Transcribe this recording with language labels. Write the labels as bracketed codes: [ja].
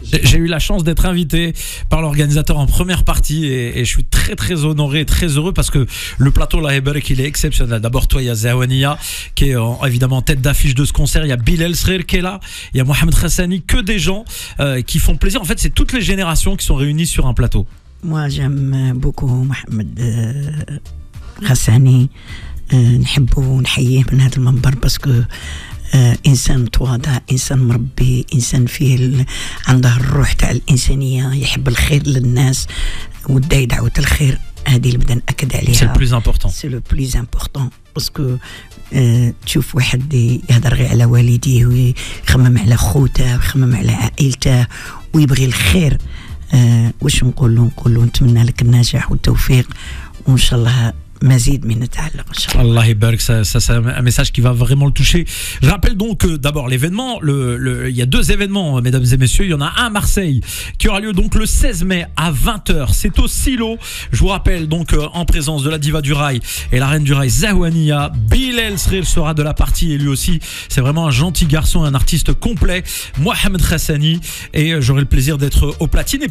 [fr] J'ai eu la chance d'être invité par l'organisateur en première partie et je suis très très honoré, très heureux parce que le plateau La Hebrek il est exceptionnel. D'abord toi il y a Zawania qui est évidemment tête d'affiche de ce concert, il y a Bilal Srir qui est là, il y a Mohamed Hassani, que des gens qui font plaisir. En fait c'est toutes les générations qui sont réunies sur un plateau. Moi j'aime beaucoup Mohamed Hassani, j'aime beaucoup le membre parce que [ar] إنسان متواضع، إنسان مربي، إنسان فيه عنده الروح تاع الإنسانية، يحب الخير للناس ودا يدعوة الخير، هذه اللي بدا نأكد عليها. [fr] C'est le plus important. C'est le plus important. [ar] باسكو تشوف واحد يهضر غير على والديه ويخمم على خوته ويخمم على عائلته ويبغي الخير، واش نقول له؟ نقول له نتمنى لك النجاح والتوفيق وإن شاء الله مزيد من التعلق. الله يبارك. [fr] Ça c'est un message qui va vraiment le toucher. Je rappelle donc d'abord l'événement, il y a deux événements mesdames et messieurs, il y en a un à Marseille qui aura lieu donc le 16 mai à 20h, c'est au Silo. Je vous rappelle donc en présence de la diva du rail et la reine du rail Zawania, Bilal Srir sera de la partie et lui aussi c'est vraiment un gentil garçon, un artiste complet, Mohamed Hassani, et j'aurai le plaisir d'être au platine.